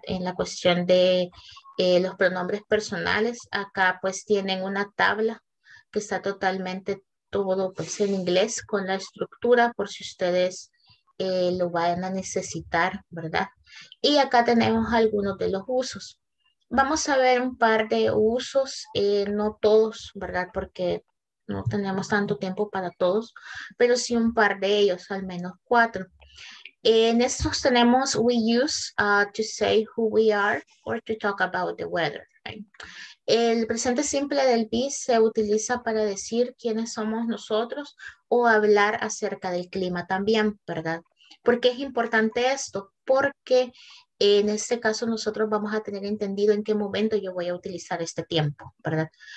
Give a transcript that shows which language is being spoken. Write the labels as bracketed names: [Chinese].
[Spanish] En la cuestión de los pronombres personales, acá pues tienen una tabla que está totalmente todo pues en inglés con la estructura por si ustedes lo vayan a necesitar, ¿verdad? Y acá tenemos algunos de los usos. Vamos a ver un par de usos, no todos, ¿verdad? Porque no tenemos tanto tiempo para todos, pero sí un par de ellos, al menos cuatro. En estos tenemos [English] we use to say who we are or to talk about the weather. Right? [Spanish] El presente simple del be se utiliza para decir quiénes somos nosotros o hablar acerca del clima también, ¿verdad? ¿Por qué es importante esto? Porque en este caso nosotros vamos a tener entendido en qué momento yo voy a utilizar este tiempo, ¿verdad?